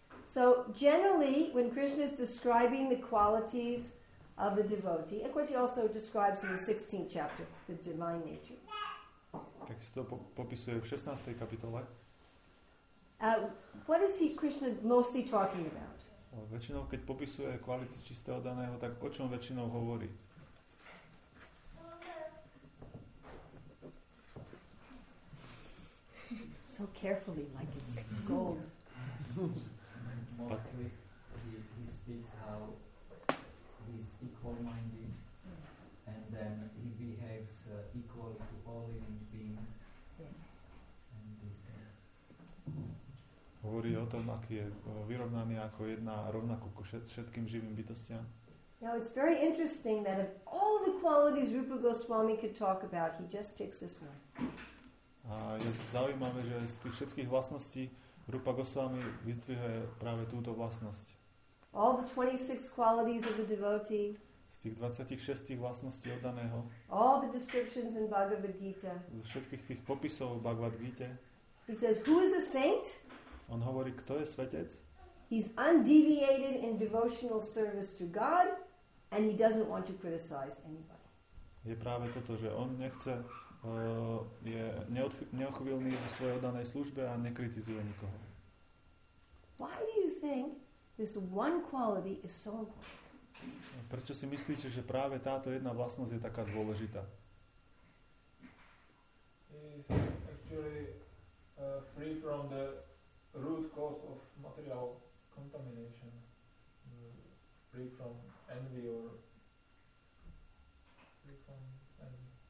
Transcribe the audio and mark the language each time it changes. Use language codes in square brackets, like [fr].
[en] So generally, when Krishna is describing the qualities of a devotee, of course he also describes in the 16th chapter the divine nature. [sk] Tak si to popisuje v 16. kapitole. [en] What is he Krishna mostly talking about? [sk] Väčšinou, keď popisuje kvality čistého daného, tak o čom väčšinou hovorí? [en] So carefully, like it's gold. Mostly, he speaks how he's equal-minded. And then he behaves equally to all living beings. Yes. And this is. [sk] Hovorí o tom, aký je vyrovnaný ako jedna rovnako ku všetkým živým bytostiam. [en] Now it's very interesting that of all the qualities Rupa Goswami could talk about, he just picks this one. [sk] A je zaujímavé, že z tých všetkých vlastností Rupa Goswami vyzdvihuje práve túto vlastnosť. [en] All the 26 qualities of a devotee. [sk] Tých 26 vlastností oddaného. [en] All the descriptions in Bhagavad Gita. [sk] Zo všetkých tých popisov v Bhagavad Gita. [en] He says, who is a saint? [sk] On hovorí, kto je svetec? [en] He's undeviated in devotional service to God and he doesn't want to criticize anybody. [sk] Je práve toto, že on nechce, je neochvíľný v svojej oddanej službe a nekritizuje nikoho. [en] Why do you think this one quality is so important? [sk] Prečo si myslíte, že práve táto jedna vlastnosť je taká dôležitá? [en] is actually free from the root cause of material contamination, free from envy or free from envy.